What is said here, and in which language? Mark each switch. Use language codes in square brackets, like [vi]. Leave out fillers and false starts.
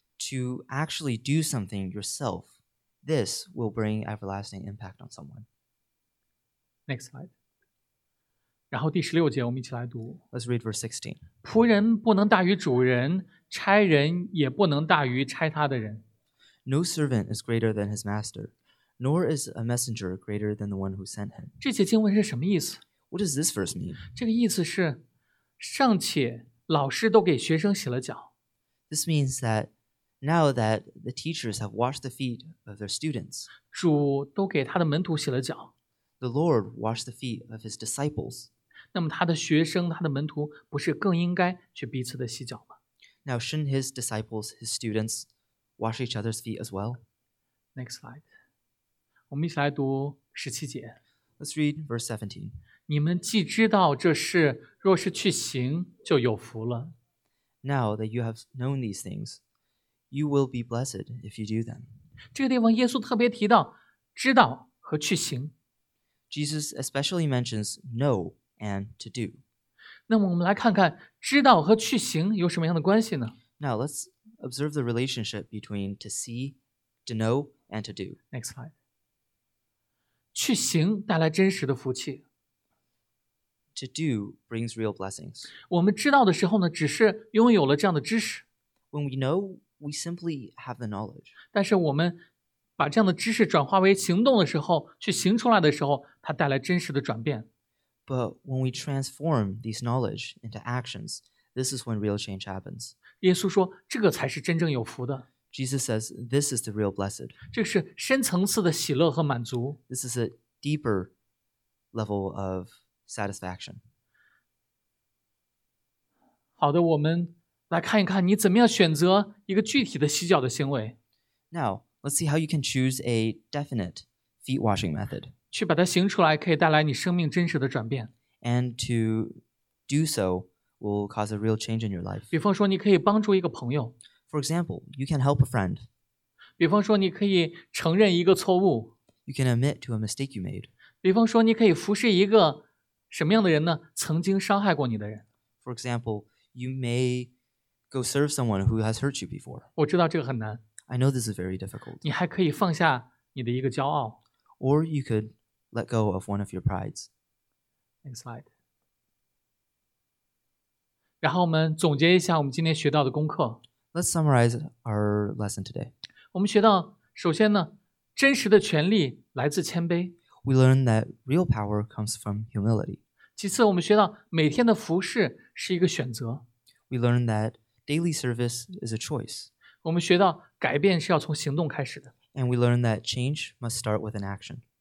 [en] To actually do something yourself, this will bring everlasting impact on someone. Next slide. [zh] 然后第十六节我们一起来读。 [en] Let's read verse 16. [zh] 仆人不能大于主人，差人也不能大于差他的人。 [en] No servant is greater than his master. Nor is a messenger greater than the one who sent him. [zh] 这些经文是什么意思？ [en] What does this verse mean? [zh] 这个意思是，尚且老师都给学生洗了脚。 [en] This means that now that the teachers have washed the feet of their students, [zh] 主都给他的门徒洗了脚。 [en] The Lord washed the feet of his disciples. [zh] 那么他的学生，他的门徒不是更应该去彼此的洗脚吗？ [en] Now shouldn't his disciples, his students, wash each other's feet as well? Next slide. [zh] 我们一起来读十七节。 [en] Let's read verse 17. [zh] 你们既知道这事，若是去行，就有福了。 [en] Now that you have known these things, you will be blessed if you do them. [zh] 这个地方耶稣特别提到知道和去行。 [en] Jesus especially mentions know and to do. [zh] 那么我们来看看知道和去行有什么样的关系呢？ [en] Now let's observe the relationship between to see, to know, and to do. Next slide. [zh] 去行带来真实的福气。 [en] To do brings real blessings. [zh] 我们知道的时候呢，只是拥有了这样的知识。 [en] When we know, we simply have the knowledge. [zh] 但是我们把这样的知识转化为行动的时候，去行出来的时候，它带来真实的转变。 [en] But when we transform these knowledge into actions, this is when real change happens. [zh] 耶稣说，这个才是真正有福的。 [en] Jesus says, this is the real blessed. [zh] 这是深层次的喜乐和满足。 [en] This is a deeper level of satisfaction. [zh] 好的，我们来看一看你怎么样选择一个具体的洗脚的行为。 [en] Now, let's see how you can choose a definite feet washing method. [zh] 去把它行出来可以带来你生命真实的转变。 [en] And to do so will cause a real change in your life. [zh] 比方说你可以帮助一个朋友。 [en] For example, you can help a friend. [zh] 比方说你可以承认一个错误。 [en] You can admit to a mistake you made. [zh] 比方说你可以服侍一个什么样的人呢？曾经伤害过你的人。 [en] For example, you may go serve someone who has hurt you before. [zh] 我知道这个很难。 [en] I know this is very difficult. [zh] 你还可以放下你的一个骄傲。 [en] Or you could let go of one of your prides. Next slide. [zh] 然后我们总结一下我们今天学到的功课。 [en] Let's summarize our lesson today. [zh] 我们学到，首先呢，真实的权力来自谦卑。 [en] We learn that real power comes from humility. [zh] 其次，我们学到每天的服侍是一个选择。 [en] We learn that daily service is a choice. [zh] 我们学到改变是要从行动开始的。 [en] And we learn that change must start with an action.